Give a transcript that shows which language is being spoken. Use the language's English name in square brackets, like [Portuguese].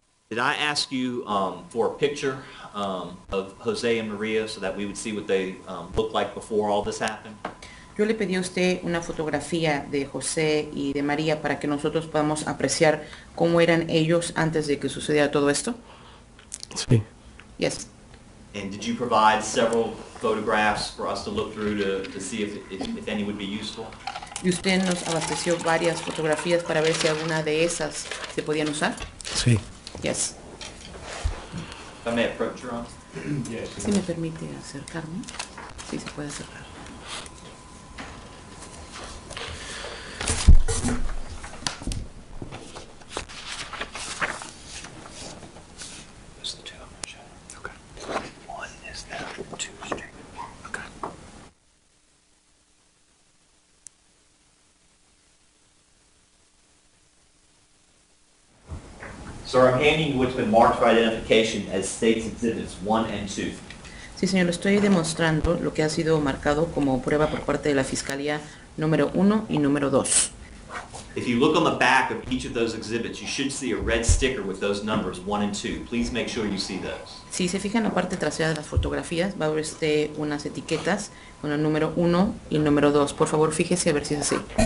[English] Did I ask you for a picture of Jose and Maria so that we would see what they looked like before all this happened? [Spanish] Yo le pedí a usted una fotografía de José y de María para que nosotros podamos apreciar cómo eran ellos antes de que sucediera todo esto. Sí. [English] Yes. And did you provide several photographs for us to look through to see if any would be useful? [Spanish] Y usted nos abasteció varias fotografías para ver si alguna de esas se podían usar. Sí. [English] Yes. If I may approach, Ron. Yes. [Spanish] Si me permite acercarme. Sí, se puede acercar. [English] There's the two I'm going to show you. Okay. One is that, two is straight. Okay. Sir, I'm handing you what's been marked for identification as State's Exhibits 1 and 2. [Spanish] Sí, señor, estoy demostrando lo que ha sido marcado como prueba por parte de la Fiscalía número 1 y número 2. [English] If you look on the back of each of those exhibits, you should see a red sticker with those numbers 1 and 2. Please make sure you see those. [Spanish] Si se fija en la parte trasera de las fotografías, va a ver usted unas etiquetas con el número 1 y el número 2. Por favor, fíjese a ver si es así.